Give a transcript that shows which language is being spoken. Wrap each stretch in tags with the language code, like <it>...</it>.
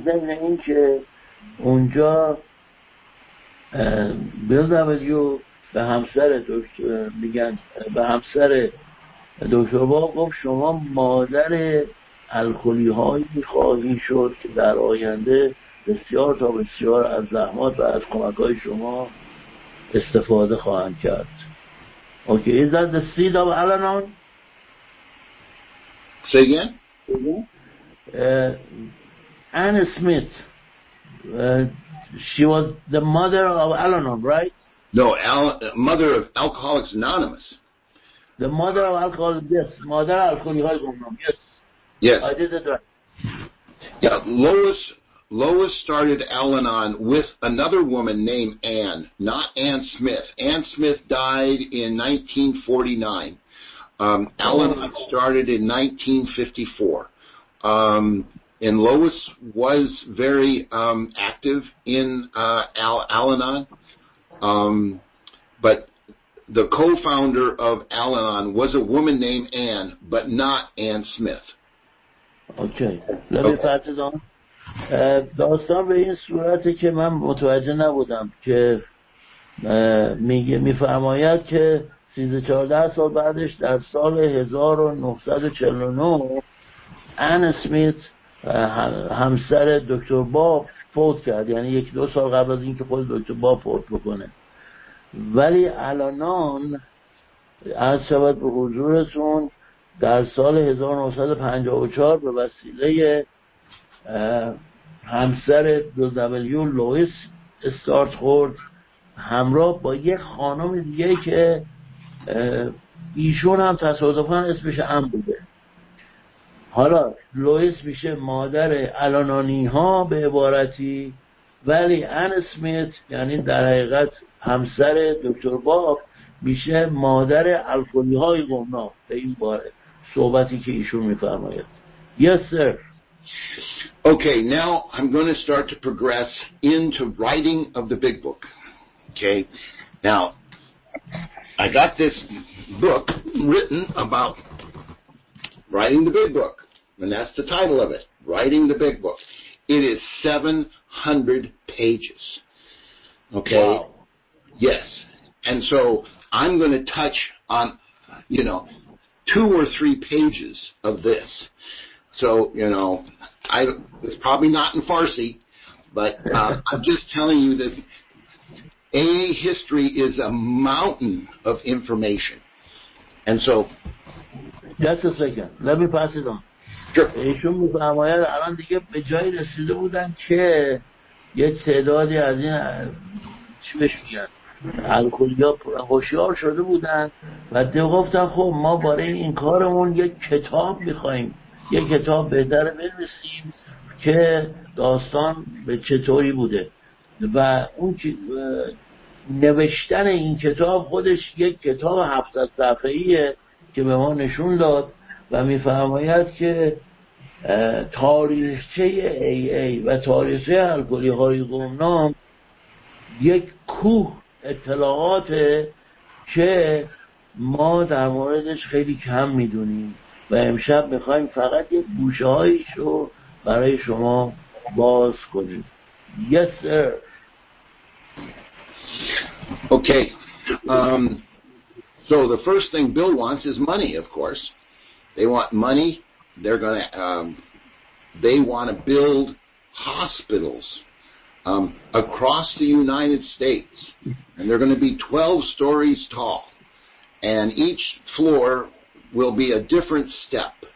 <fa>ضمن این که اونجا بزنبدیو به همسر دکتر میگن به همسر دکتر باب گفت شما مادر الکلی هایی خواهی شد که در آینده بسیار تا بسیار از زحمات و از کمک های شما استفاده خواهند کرد.</fa> <en>Okay, is that the seed of Al-Anon? Say again? Anne Smith, she was the mother of Al-Anon, right? No, mother of Alcoholics Anonymous. The mother of Alcoholics, yes. Mother of Alcoholics Anonymous, yes. Yes. I did it right. Yeah, Lois started Al-Anon with another woman named Ann, not Ann Smith. Ann Smith died in 1949. Al-Anon started in 1954. And Lois was very active in Al-Anon. But the co-founder of Al-Anon was a woman named Ann, but not Ann Smith. Okay. Let me pass it on.</en> <fa>داستان به این صورتی که من متوجه نبودم که میگه میفرماید که 13-14 سال بعدش در سال 1949 ان اسمیت همسر دکتر باب فوت کرد، یعنی 1-2 سال قبل از اینکه خود دکتر باب فوت بکنه. ولی الانان از شبت به حضورتون در سال 1954 به وسیله همسر دو دبلیو لویس استارت خورد همراه با یک خانم دیگه که ایشون هم تصادفاً اسمش ام بوده. حالا لوئیس میشه مادر الانانی ها به عبارتی، ولی ان اسمیت یعنی در حقیقت همسر دکتر باب میشه مادر الکلی های گمنام به این باره صحبتی که ایشون میفرماید.</fa> <en>Yes sir. Okay, now I'm going to start to progress into writing of the big book. Okay, now I got this book written about writing the big book, and that's the title of it, Writing the Big Book. It is 700 pages. Okay. Wow. Yes, and so I'm going to touch on, you know, 2 or 3 pages of this. So, you know, it's probably not in Farsi, but I'm just telling you that AA history is a mountain of information. And so... Just a second. Let me pass it on. Sure.</en> <fa>ایشون میفرماید الان دیگه به جایی رسیده بودن که یه تعدادی از این چی بشه میگن الکلی ها هوشیار شده بودن و دیگه گفتن خب ما برای این کارمون یک کتاب میخواییم، یه کتاب بهتر بنویسیم که داستان به چطوری بوده. و اون نوشتن این کتاب خودش یک کتاب 700 صفحه‌ایه که به ما نشون داد و میفرماید که تاریخچه ای ای و تاریخچه الکلی های گمنام یک کوه اطلاعاته که ما در موردش خیلی کم میدونیم و امشب میخواییم فقط یک گوشه هایش رو برای شما باز کنیم.</fa> <en>Yes sir. Okay. So the first thing Bill wants is money, of course. They want money. They're going to they want to build hospitals across the United States, and they're going to be 12 stories tall, and each floor will be a different step.</en>